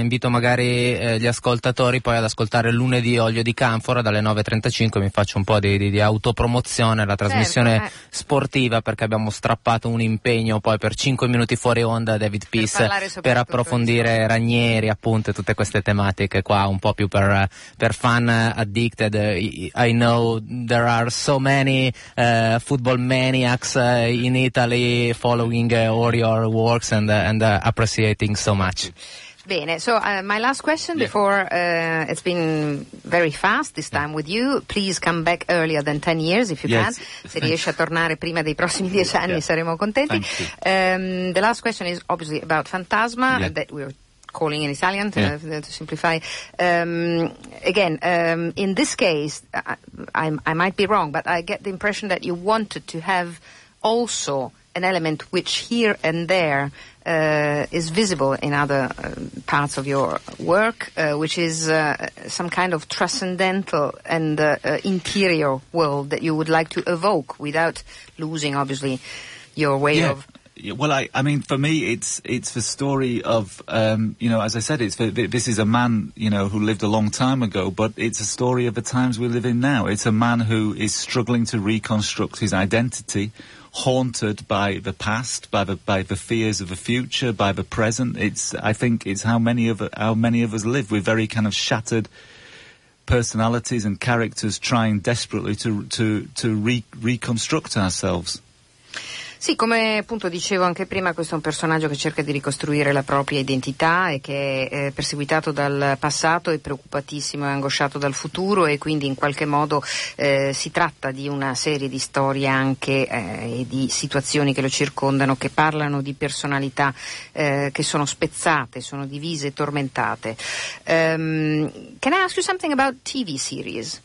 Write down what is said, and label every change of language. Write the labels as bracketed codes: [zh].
[it] Invito magari gli ascoltatori poi ad ascoltare lunedì Olio di Canfora dalle 9.35. Mi faccio un po' di autopromozione, la trasmissione, certo, sportiva, perché abbiamo strappato un impegno poi per 5 minuti fuori onda David Peace per approfondire Ranieri, appunto, e tutte queste tematiche qua, un po' più per fan addicted. [en] I know there are so many football maniacs in Italy following all your works and appreciating so much. [it] Bene, [en] so my last question before, it's been very fast this time with you, please come back earlier than 10 years if you can. [it] Se riesci a tornare prima dei prossimi 10 anni saremo contenti. [en] The last question is obviously about Fantasma, that we're calling in Italian to simplify. In this case, I might be wrong, but I get the impression that you wanted to have also an element which here and there is visible in other parts of your work, which is some kind of transcendental and interior world that you would like to evoke without losing, obviously, your way of... Well, I mean, for me, it's the story of, you know, as I said, this is a man, you know, who lived a long time ago, but it's a story of the times we live in now. It's a man who is struggling to reconstruct his identity, haunted by the past, by the fears of the future, by the present. I think it's how many of us live. We're very kind of shattered personalities and characters trying desperately to reconstruct ourselves. [it] Sì, come appunto dicevo anche prima, questo è un personaggio che cerca di ricostruire la propria identità e che è perseguitato dal passato e preoccupatissimo e angosciato dal futuro, e quindi in qualche modo si tratta di una serie di storie anche e di situazioni che lo circondano, che parlano di personalità che sono spezzate, sono divise, tormentate. [en] Can I ask you something about TV series?